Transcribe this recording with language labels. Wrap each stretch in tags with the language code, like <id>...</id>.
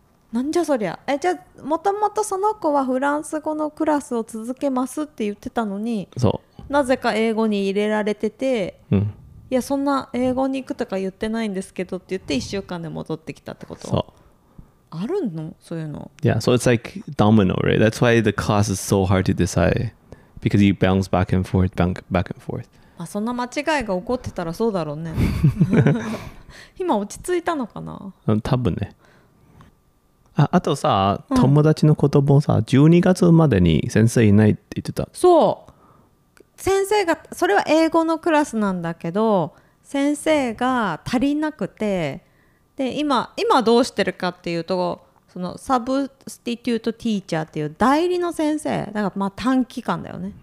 <ja>なんじゃそりゃ。え、じゃあもともとその子はフランス語のクラスを続けますって言ってたのに、そう、なぜか英語に入れられてて、うん、いやそんな英語に行くとか言ってないんですけどって言って1週間で戻ってきたってこと。そう、あるのそういうの。</ja> <en>Yeah, so it's like domino, right? That's why the class is so hard to decide, because you bounce back and forth, bounce back and forth.</en> <ja>まあ、そんな間違いが起こってたらそうだろうね。今落ち着いたのかな、うん、多分ね。あとさ、うん、友達の子供もさ12月までに先生いないって言ってた。そう、先生が、それは英語のクラスなんだけど先生が足りなくて、で 今どうしてるかっていうと、そのサブスティテュートティーチャーっていう代理の先生だから、まあ短期間だよね、</ja>